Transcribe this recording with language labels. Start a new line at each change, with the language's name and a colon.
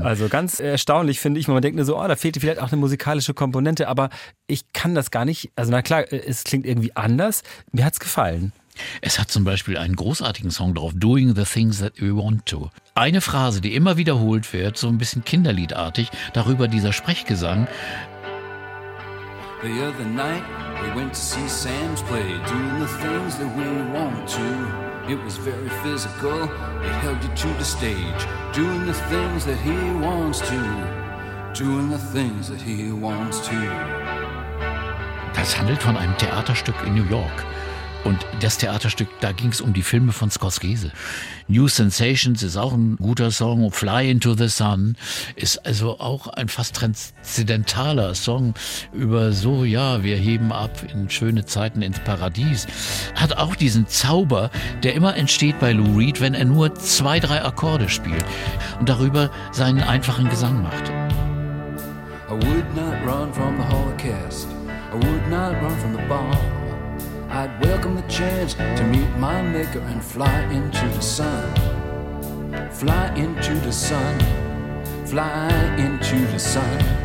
German: Also ganz erstaunlich finde ich. Man denkt nur so, oh, da fehlt vielleicht auch eine musikalische Komponente. Aber ich kann das gar nicht. Also na klar, es klingt irgendwie anders. Mir hat es gefallen. Es hat zum Beispiel einen großartigen Song drauf, Doing the Things That We Want To. Eine Phrase, die immer wiederholt wird, so ein bisschen kinderliedartig, darüber dieser Sprechgesang.
English: The other night we went to see Sam's play, doing the things that we want to. It was very physical, it held you to the stage, doing the things that he wants to, doing the things that he wants to.
German: Das handelt von einem Theaterstück in New York. Und das Theaterstück, da ging es um die Filme von Scorsese. New Sensations ist auch ein guter Song. Fly into the Sun ist also auch ein fast transzendentaler Song über so, ja, wir heben ab in schöne Zeiten ins Paradies. Hat auch diesen Zauber, der immer entsteht bei Lou Reed, wenn er nur 2-3 Akkorde spielt und darüber seinen einfachen Gesang macht.
English: I would not run from the Holocaust. I would not run from the bomb. I'd welcome the chance to meet my maker and fly into the sun. Fly into the sun. Fly into the sun.